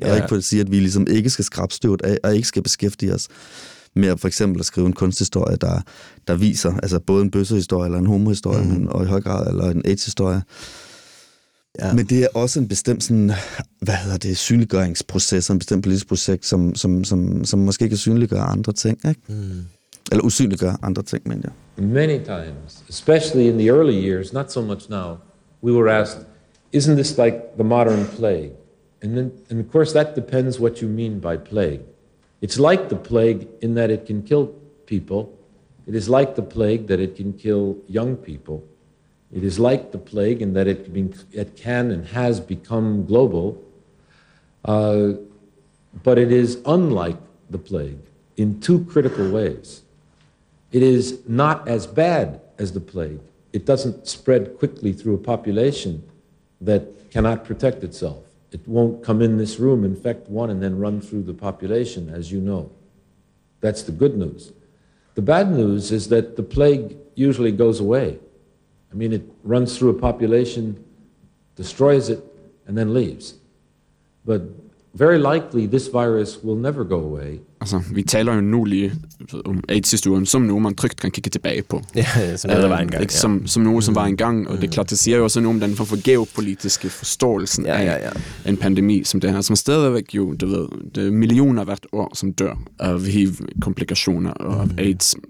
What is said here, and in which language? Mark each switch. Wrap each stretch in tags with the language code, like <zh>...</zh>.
<da>Og ikke for at sige, at vi ligesom ikke skal skrabe støvet af, og ikke skal beskæftige os med for eksempel at skrive en kunsthistorie, der viser, altså både en bøssehistorie eller en homohistorie, men og i høj grad eller en AIDS-historie. Ja. Men det er også en bestemt sådan, hvad hedder det, synliggøringsproces, en bestemt politisk projekt, som måske kan synliggøre andre ting, ikke? Eller usynliggøre andre ting, mener jeg.</da> <en>Many times, especially in the early years, not so much now, we were asked, isn't this like the modern plague? And of course that depends what you mean by plague. It's like the plague in that it can kill people. It is like the plague that it can kill young people. It is like the plague in that it can and has become global. But it is unlike the plague in two critical ways. It is not as bad as the plague. It doesn't spread quickly through a population that cannot protect itself. It won't come in this room, infect one, and then run through the population, as you know. That's the good news. The bad news is that the plague usually goes away. I mean, it runs through a population, destroys it, and then leaves. But very likely, this virus will never go away.</en> <da>Altså, vi taler jo nu lige om AIDS-historien, som noget, man trygt kan kigge tilbage på. Ja, som noget, der var engang. Som noget, som var engang, og det er klart, det siger jo også noget om den for geopolitiske forståelsen af en pandemi som det her, som stadigvæk jo, du ved, det er millioner hvert år, som dør af HIV-komplikationer og af AIDS.</da>